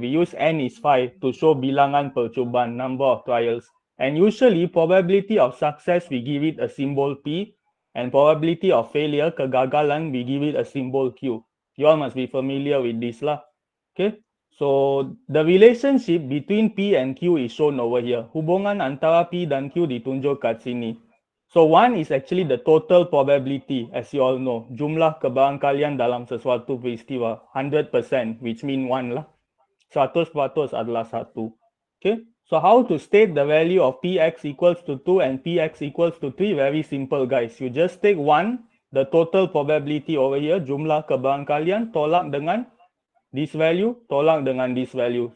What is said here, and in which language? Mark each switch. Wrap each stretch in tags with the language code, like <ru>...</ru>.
<en>We use n is 5 to show</en> <ms>bilangan percubaan,</ms> <en>number of trials. And usually, probability of success, we give it a symbol p. And probability of failure, kegagalan, we give it a symbol q. You all must be familiar with this lah. Okay, so the relationship between P and Q is shown over here.</en> <ms>Hubungan antara P dan Q ditunjuk kat sini.</ms> <en>So one is actually the total probability, as you all know.</en> <ms>Jumlah kebarangkalian dalam sesuatu peristiwa.</ms> <en>100%, which means 1 lah. 100% adalah 1. Okay, so how to state the value of Px equals to 2 and Px equals to 3? Very simple, guys. You just take 1, the total probability over here,</en> <ms>jumlah kebarangkalian, tolak dengan</ms> <en>this value, tolak dengan this value.</en>